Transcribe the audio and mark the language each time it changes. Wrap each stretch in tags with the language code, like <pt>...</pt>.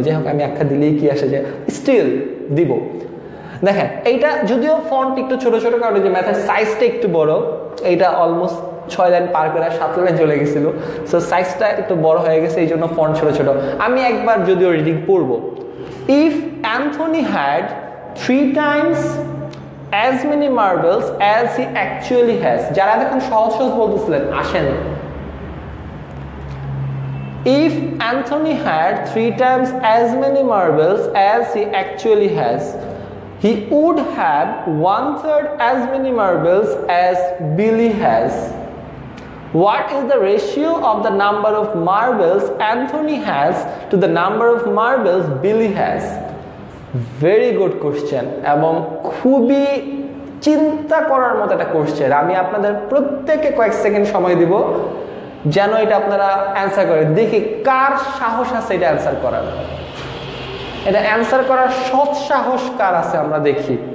<bn>যাই হোক, আমি আখ্যা দিলেই কি আসে যে স্টিল দিব। দেখেন এইটা যদিও ফন্ট একটু ছোট ছোট, কারণ যে ম্যাথের সাইজটা একটু বড়, এইটা অলমোস্ট 6 লাইন পার করে 7 লাইন চলে গেছিলো, সো সাইজটা একটু বড় হয়ে গেছে, এই জন্য ফন্ট ছোট ছোট। আমি একবার যদিও রিডিং পড়ব।</bn> <en>if Anthony had 3 times as many marbles as he actually has,</en> <bn>যারা দেখেন সহজ সহজ বলতেছিলেন আসেন।</bn> <en>If Anthony had 3 times as many marbles as he actually has, he would have 1/3 as many marbles as Billy has. What is the ratio of the number of marbles Anthony has to the number of marbles Billy has? Very good question.</en> <bn>এবং খুবই চিন্তা করার মতো একটা question. আমি আপনাদের প্রত্যেককে কয়েক সেকেন্ড সময় দিব যেন এটা আপনারা অ্যান্সার করেন। দেখি কার সাহস আছে এটা অ্যান্সার করার। এটা অ্যান্সার করার সৎ সাহস কার আছে আমরা দেখি।</bn>